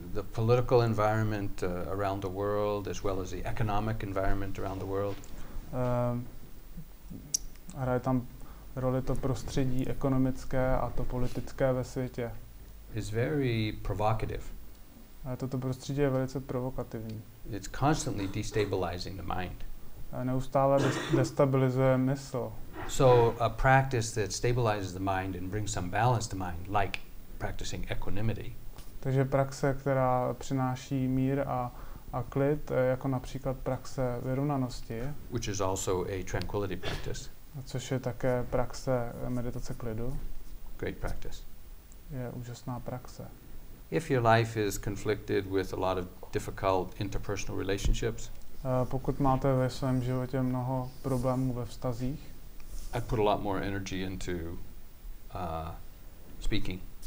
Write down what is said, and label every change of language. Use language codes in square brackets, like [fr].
[en] The political environment around the world, as well as the economic environment around the world. [cs] Hraje tam roli to prostředí ekonomické a to politické ve světě. [en] Is very provocative. [cs] Toto prostředí je velice provokativní. [en] It's constantly destabilizing the mind. [cs] Neustále destabilizuje mysl. [en] So a practice that stabilizes the mind and brings some balance to mind, like practicing equanimity. [cs] Takže praxe, která přináší mír a klid, jako například praxe vyrovnanosti. [en] Which is also a tranquility practice. [cs] Což je také praxe meditace klidu. [en] Great practice. [cs] Je úžasná praxe. [en] If your life is conflicted with a lot of difficult interpersonal relationships, [cs] pokud máte ve svém životě mnoho problémů ve vztazích, [en] I put a lot more energy into speaking.